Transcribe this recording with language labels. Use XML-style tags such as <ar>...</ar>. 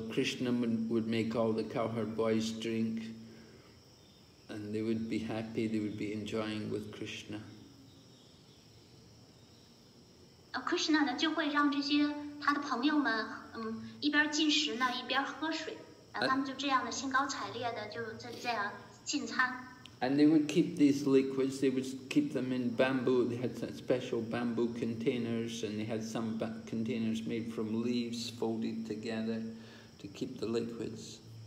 <en>Krishna would make all the cowherd boys drink, and they would be happy. They would be enjoying with Krishna.</en> <zh>Krishna 呢就会让这些他的朋友们，一边进食呢，一边喝水，然后他们就这样的兴高采烈的就这样进餐。</zh> <en>And they would keep these liquids, they would keep them in bamboo, they had some special bamboo containers, and they had some containers made from leaves folded together to keep the liquids.</en>